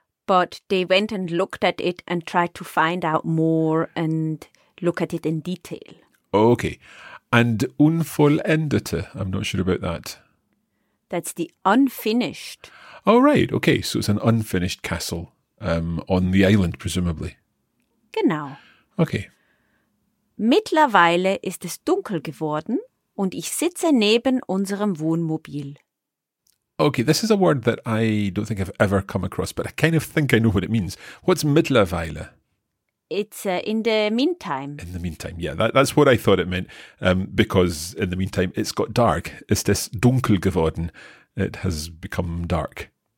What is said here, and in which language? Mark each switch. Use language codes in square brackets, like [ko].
[en] But they went and looked at it and tried to find out more and look at it in detail. Okay. And unvollendete, I'm not sure about that. That's the unfinished. Oh, right. Okay. So it's an unfinished castle on the island, presumably. [de] Genau. [en] Okay. [de] Mittlerweile ist es dunkel geworden und ich sitze neben unserem Wohnmobil. [en] Okay, this is a word that I don't think I've ever come across, but I kind of think I know what it means. What's mittlerweile? It's in the meantime. In the meantime, yeah. That's what I thought it meant, because in the meantime it's got dark. [de] Ist es dunkel geworden? [en] It has become dark.